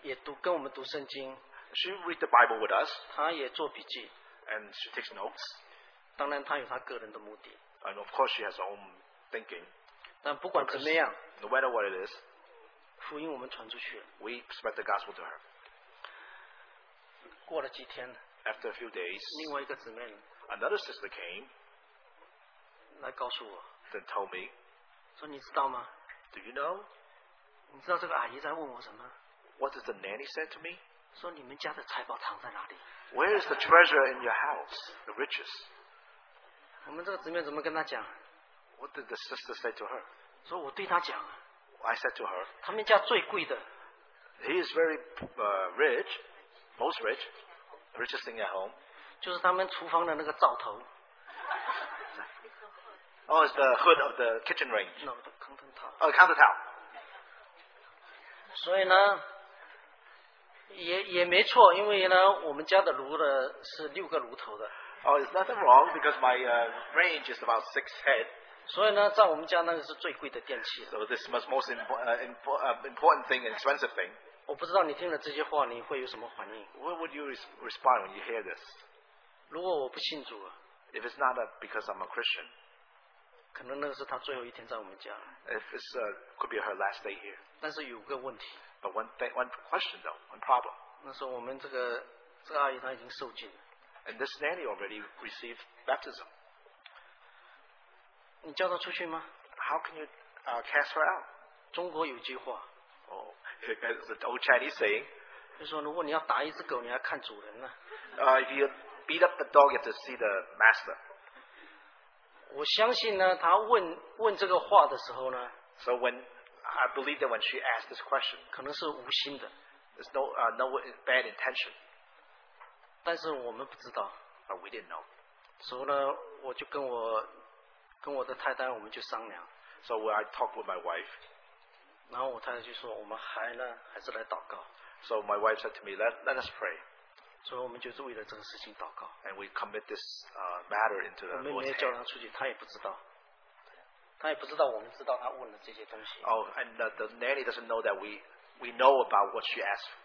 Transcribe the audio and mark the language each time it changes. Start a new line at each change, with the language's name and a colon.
Chinese: 因为呢,她呢,也读,跟我们读圣经,
English: she read the Bible with us.
Chinese: 她也做笔记,
English: and she takes notes.
Chinese: 当然她有她个人的目的,
English: and of course she has her own thinking.
Chinese: 但不管怎么样,
English: no matter what it is,
Chinese: 福音我们传出去,
English: we spread the gospel to her.
Chinese: 过了几天,
English: after a few days,
Chinese: 另外一个姊妹,
English: another sister came,
Chinese: 来告诉我,
English: then told me,
Chinese: 说你知道吗?
English: Do you know?
Chinese: 你知道这个阿姨在问我什么?
English: What does the nanny say to me?
Chinese: 说你们家的财宝藏在哪里?
English: Where is the treasure in your house? The riches.
Chinese: 我们这个姊妹怎么跟她讲?
English: What did the sister say to her?
Chinese: 说我对她讲,
English: I said to her,
Chinese: 他们家最贵的,
English: he is very rich, most rich, richest thing at home.
Chinese: 就是他们厨房的那个灶头,
English: oh, it's the hood of the kitchen range. No, the countertop. Oh, countertop.
Chinese: 所以呢, 也没错, 因为呢, 我们家的炉呢是六个炉头的。
English: Oh, it's nothing wrong because my range is about 6 head.
Chinese: 所以呢, 在我们家那个是最贵的电器。
English: So this is the most important thing and expensive thing.
Chinese: 我不知道你听了这些话, 你会有什么反应?
English: What would you respond when you hear this?
Chinese: 如果我不信主,
English: if it's not because I'm a Christian,
Chinese: 可能那个是他最后一天在我们家,
English: if it's, could be her last day here.
Chinese: 但是有个问题,
English: but one question though, one problem.
Chinese: 那时候我们这个阿姨她已经受浸了。
English: And this nanny already received baptism.
Chinese: 你叫她出去吗?
English: How can you cast her out?
Chinese: 中国有句话,
English: oh, it's an old Chinese saying.
Chinese: 就说如果你要打一只狗,
English: if you beat up the dog, you have to see the master.
Chinese: 我相信呢, 她问这个话的时候呢,
English: so when I believe that when she asked this question, there's no bad intention.
Chinese: 但是我们不知道,
English: but we didn't know.
Chinese: 所以呢, 我就跟我的太太, 我们就商量,
English: so when I talked with my wife,
Chinese: 然后我太太就说, 我们还呢, 还是来祷告,
English: so my wife said to me, let us pray.
Chinese: 所以我们就是为了这个事情祷告,
English: and we commit this matter into the Lord's hand.
Chinese: 我们没叫她出去, 她也不知道, 她也不知道, 我们知道她问了这些东西,
English: oh, and the nanny doesn't know that we know about what she asked.